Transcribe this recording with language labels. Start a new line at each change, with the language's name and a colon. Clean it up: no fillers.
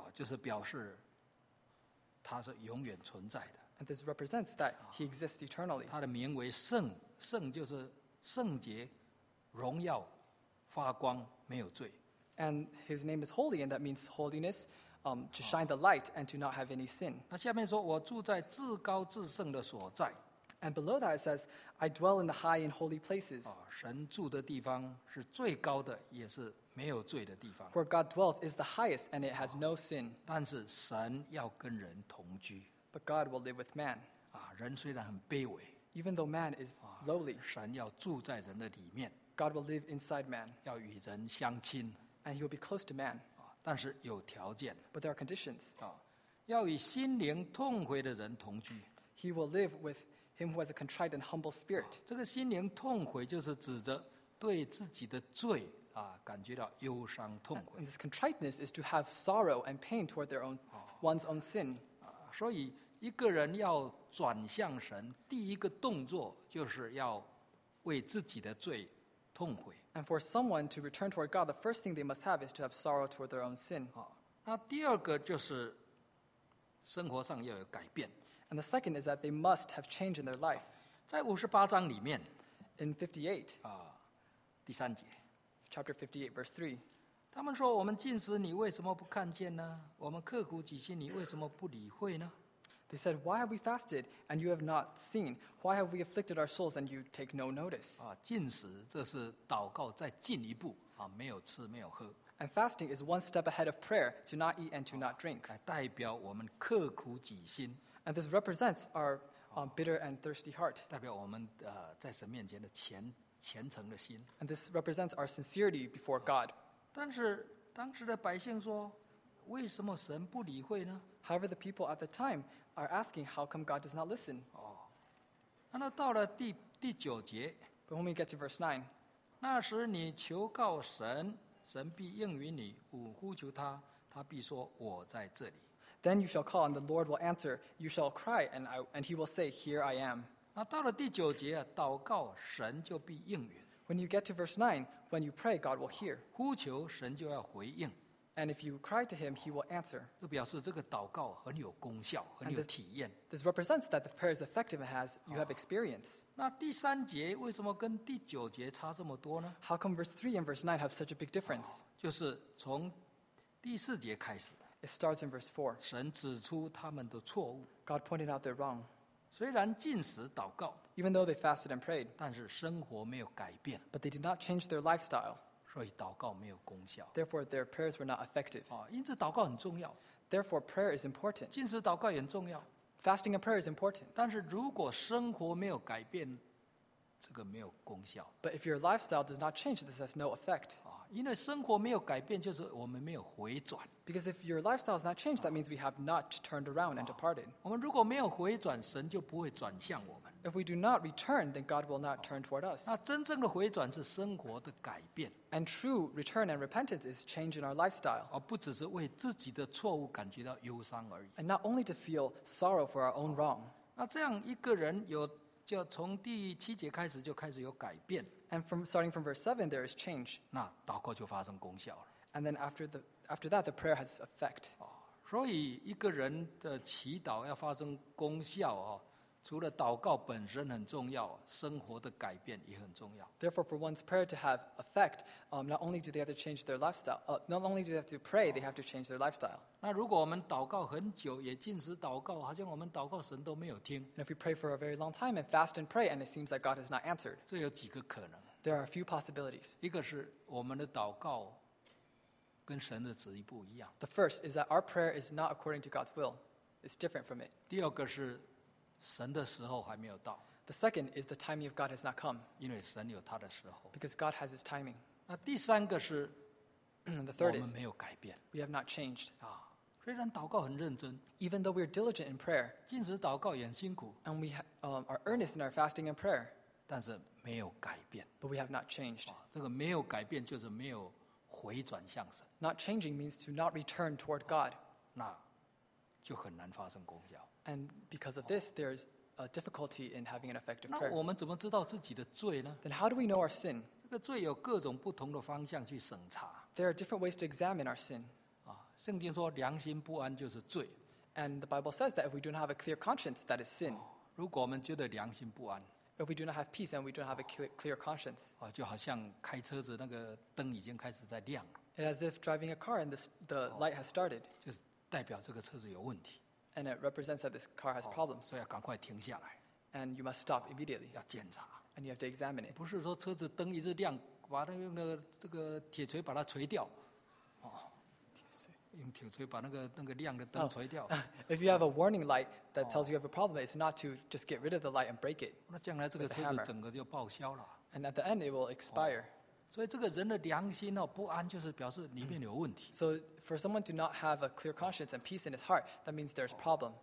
Chinese: 就是表示他是永远存在的,
English: and this represents that he exists eternally.
Chinese: 他的名为圣, 圣就是圣洁, 荣耀, 发光，没有罪。
English: And his name is holy, and that means holiness, to shine the light and to not have any sin.
Chinese: 那下面说，我住在至高至圣的所在。
English: And below that it says, I dwell in the high and holy places.
Chinese: 神住的地方是最高的，也是没有罪的地方。
English: Where God dwells is the highest, and it has no sin.
Chinese: 但是神要跟人同居。
English: But God will live with man.
Chinese: 人虽然很卑微。
English: Even though man is lowly,
Chinese: 神要住在人的里面。
English: God will live inside man.
Chinese: 要与人相亲。
English: And he will be close to man.
Chinese: 但是有条件。
English: But there are conditions.
Chinese: 要与心灵痛悔的人同居。
English: He will live with him who has a contrite and humble spirit.
Chinese: 这个心灵痛悔就是指着对自己的罪感觉到忧伤痛悔。
English: And this contriteness is to have sorrow and pain toward their own, one's own sin.
Chinese: 所以一个人要转向神，第一个动作就是要为自己的罪痛悔。
English: And for someone to return toward God, the first thing they must have is to have sorrow toward their own sin.
Chinese: 那第二个就是生活上要有改变。
English: And the second is that they must have change in their life.
Chinese: 在五十八章里面
English: ，in 58,
Chinese: 第三节
English: ，chapter 58, verse 3,
Chinese: 他们说：“我们禁食，你为什么不看见呢？我们刻苦己心，你为什么不理会呢？”
English: They said, "Why have we fasted and you have not seen? Why have we afflicted our souls and you take no notice?"
Chinese: 禁食这是祷告再进一步没有吃没有喝。
English: And fasting is one step ahead of prayer to not eat and to not drink.
Chinese: 代表我们刻苦己心。
English: And this represents our bitter and thirsty heart.
Chinese: 代表我们在神面前的虔诚的心。
English: And this represents our sincerity before God.
Chinese: 但是当时的百姓说，为什么神不理会呢？
English: However, the people at the time are asking, how come God does not listen?
Chinese: 那到了第九节。
English: But when we get to verse 9,
Chinese: 那时你求告神，神必应允你，吾呼求他，他必说，我在这里。
English: Then you shall call, and the Lord will answer. You shall cry, and he will say, Here I am.
Chinese: 到了第九节，祷告神就必应允。
English: When you get to verse 9, when you pray, God will hear.
Chinese: 呼求神就要回应。
English: And if you cry to him, he will answer.
Chinese: 就表示这个祷告很有功效，很有体验。
English: This represents that the prayer is effective and you have experience.
Chinese: 那第三节为什么跟第九节差这么多呢？
English: How come verse 3 and verse 9 have such a big difference?
Chinese: 就是从第四节开始。
English: It starts in verse 4.
Chinese: 神指出他们的错误。
English: God pointed out their wrong.
Chinese: 虽然禁食祷告。
English: Even though they fasted and prayed.
Chinese: 但是生活没有改变。
English: But they did not change their lifestyle.
Chinese: 所以祷告没有功效。
English: Therefore, their prayers were not effective.
Chinese: 因此祷告很重要。
English: Therefore, prayer is important.
Chinese: 禁食祷告也很重要。
English: Fasting and prayer is important.
Chinese: 但是如果生活没有改变，这个没有功效。
English: But if your lifestyle does not change, this has no effect.
Chinese: 因为生活没有改变，就是我们没有回转。
English: Because if your lifestyle has not changed, that means we have not turned around and departed.
Chinese: 我们如果没有回转，神就不会转向我们。
English: If we do not return, then God will not turn toward us.
Chinese: 那真正的回转是生活的改变。
English: And true return and repentance is change in our lifestyle.
Chinese: 不只是为自己的错误感觉到忧伤而已。
English: And not only to feel sorrow for our own wrong.
Chinese: 那这样一个人有就从第七节开始就开始有改变。
English: And from starting from verse 7, there is change.
Chinese: 那祷告就发生功效了。
English: And then after that, the prayer has effect.
Chinese: 所以一个人的祈祷要发生功效除了祷告本身很重要，生活的改变也很重要。
English: Therefore, for one's prayer to have effect, not only do they have to change their lifestyle, not only do they have to pray, they have to change their lifestyle.
Chinese: 那如果我们祷告很久，也禁食祷告，好像我们祷告神都没有听。
English: And if we pray for a very long time and fast and pray, and it seems like God has not answered.
Chinese: 这有几个可能。
English: There are a few possibilities.
Chinese: 一个是我们的祷告跟神的旨意不一样。
English: The first is that our prayer is not according to God's will. It's different from it.
Chinese: 第二个是神的时候还没有到。
English: The second is the timing of God has not come.
Chinese: 因为神有他的时候。
English: Because God has his timing.
Chinese: 那第三个是
English: the third is,
Chinese: 我们没有改变。
English: We have not changed.
Chinese: 虽然祷告很认真。
English: Even though we are diligent in prayer.
Chinese: 禁食祷告也很辛苦。
English: And we are earnest in our fasting and prayer.
Chinese: 但是没有改变。
English: But we have not changed.
Chinese: 这个没有改变就是没有回转向神。
English: Not changing means to not return toward God.
Chinese: 那就很难发生功效。
English: And because of this, there is a difficulty in having an effective prayer.
Chinese: 那我们怎么知道自己的罪呢？
English: Then how do we know our sin?
Chinese: 这个罪有各种不同的方向去审查。
English: There are different ways to examine our sin.
Chinese: 圣经说良心不安就是罪。
English: And the Bible says that if we do not have a clear conscience, that is sin.
Chinese: 如果我们觉得良心不安，
English: If we do not have peace and we don't have a clear conscience.
Chinese: 就好像开车子那个灯已经开始在亮。
English: It's as if driving a car and the light has started.
Chinese: 就是代表这个车子有问题。
English: And it represents that this car has problems.
Chinese: 所以要赶快停下来。
English: And you must stop immediately.
Chinese: 要检查。
English: And you have to examine it.
Chinese: 不是说车子灯一直亮，把那个这个铁锤把它锤掉。用铁锤把那个亮的灯锤掉。
English: If you have a warning light that tells you have a problem, it's not to just get rid of the light and break it.
Chinese: 那将来这个车子整个就报销了。
English: And at the end, it will expire.
Chinese: 所以这个人的良心不安，就是表示里面有问题。
English: So for someone to not have a clear conscience and peace in his heart, that means there's problem.